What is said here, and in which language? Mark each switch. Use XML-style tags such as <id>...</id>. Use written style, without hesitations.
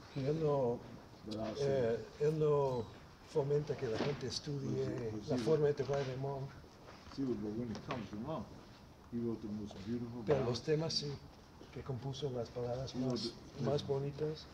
<es>Que él no, él no fomenta que la gente estudie la forma de tocar de Monk.</es> <en>But when it comes to Monk, he wrote the most beautiful.</en> <es>Pero los temas sí que compuso las palabras más bonitas.</es>